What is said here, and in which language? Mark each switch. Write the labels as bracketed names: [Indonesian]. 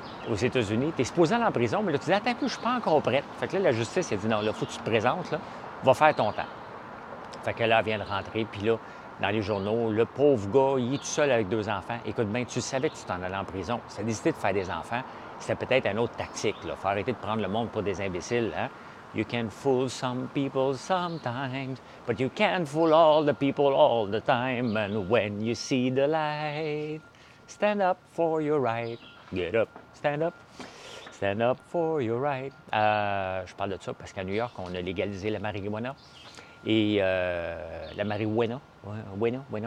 [French] Aux États-Unis, t'es supposé aller en prison, mais là, tu dis, attends un peu, je suis pas encore prête. Fait que là, la justice, elle dit, non, là, faut que tu te présentes, là, va faire ton temps. Fait que là, elle vient de rentrer, puis là, dans les journaux, le pauvre gars, il est tout seul avec deux enfants. Écoute, bien, tu savais que tu t'en allais en prison. Si t'as décidé de faire des enfants, c'était peut-être une autre tactique, là. Faut arrêter de prendre le monde pour des imbéciles, hein? [English] You can fool some people sometimes, but you can't fool all the people all the time. And when you see the light, stand up for your right. Get up, stand up, stand up for your right. [French] Je parle de ça parce qu'à New York, on a légalisé la marijuana. Et la marijuana, bueno.